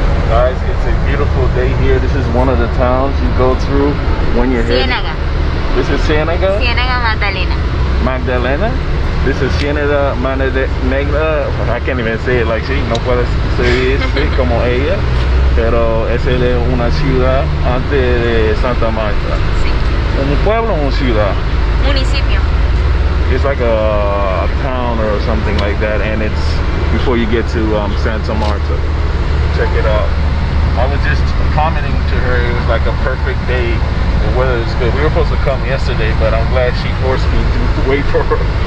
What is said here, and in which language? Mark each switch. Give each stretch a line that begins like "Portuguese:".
English: Guys, it's a beautiful day here. This is one of the towns you go through when you're here. Cienega. This is Cienega? Cienega Magdalena. Magdalena? This is Cienega Magdalena. I can't even say it like she.
Spanish: No puede ser como ella. Pero es una ciudad antes de Santa Marta. Sí. ¿Un pueblo o una ciudad? Municipio.
English: It's like a town or something like that, and it's before you get to Santa Marta. Check it out. I was just commenting to her, it was like a perfect day. The weather is good. We were supposed to come yesterday, but I'm glad she forced me to wait for her.